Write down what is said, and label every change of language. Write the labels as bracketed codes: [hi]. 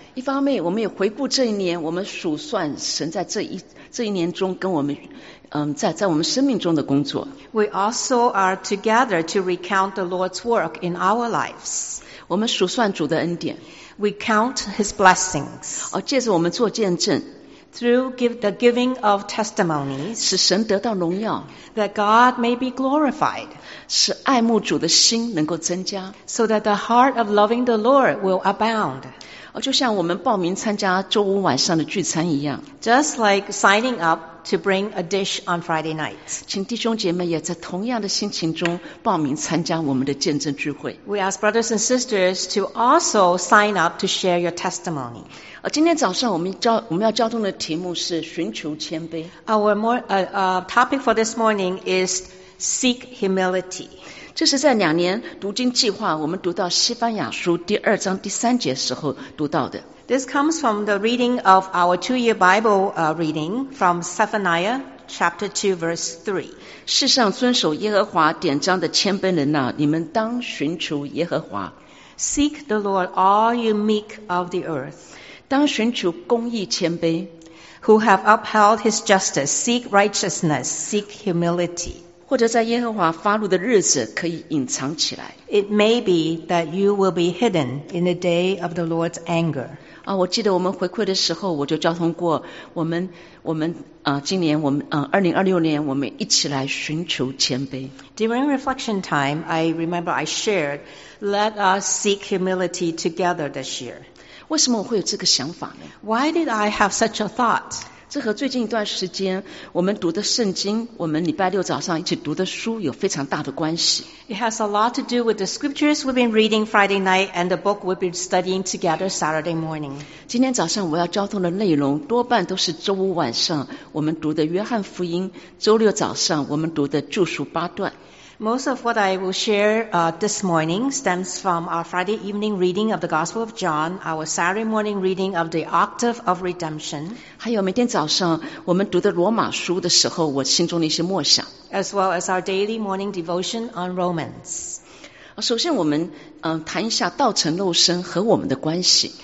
[zh] 一方面我们也回顾这一年，我们数算神在这一年中跟我们在我们生命中的工作。 [en] We also are together to recount the Lord's work in our lives. [zh] 我们数算主的恩典。 [en] We count His blessings. [zh] 借着我们做见证。 [en] Through the giving of testimonies, [zh] 使神得到荣耀, [en] that God may be glorified, [zh] 使爱慕主的心能够增加, [en] so that the heart of loving the Lord will abound. [zh] 就像我们报名参加周五晚上的聚餐一样, [en] just like signing up to bring a dish on Friday nights. [zh] 请弟兄姐妹也在同样的心情中报名参加我们的见证聚会。 [en] We ask brothers and sisters to also sign up to share your testimony. [zh] 今天早上我们要交通的题目是寻求谦卑。 [en] Our topic for this morning is seek humility. [zh] 这是在两年读经计划我们读到希伯雅书第二章第三节时候读到的。 [en] This comes from the reading of our two-year Bible reading from Zephaniah chapter 2 verse 3. [zh] 世上遵守耶和华典章的谦卑人啊，你们当寻求耶和华。 [en] Seek the Lord, all you meek of the earth. [zh] 当寻求公义谦卑。 [en] Who have upheld His justice, seek righteousness, seek humility. [zh] 或者在耶和华发怒的日子可以隐藏起来。 [en] It may be that you will be hidden in the day of the Lord's anger. [zh] 我记得我们回馈的时候，我就交通过我们今年我们2026年我们一起来寻求谦卑。 [en] During reflection time, I remember I shared, "Let us seek humility together this year." [zh] 为什么我会有这个想法呢？ [en] Why did I have such a thought? [zh] 这和最近一段时间我们读的圣经，我们礼拜六早上一起读的书有非常大的关系。 [en] It has a lot to do with the scriptures we've been reading Friday night and the book we've been studying together Saturday morning. [zh] 今天早上我要交通的内容多半都是周五晚上我们读的约翰福音，周六早上我们读的著述八段。 [en] Most of what I will share this morning stems from our Friday evening reading of the Gospel of John, our Saturday morning reading of the Octave of Redemption. [zh] 还有每天早上我们读的罗马书的时候，我心中的一些默想。 [en] As well as our daily morning devotion on Romans. [zh] 首先我们谈一下道成肉身和我们的关系。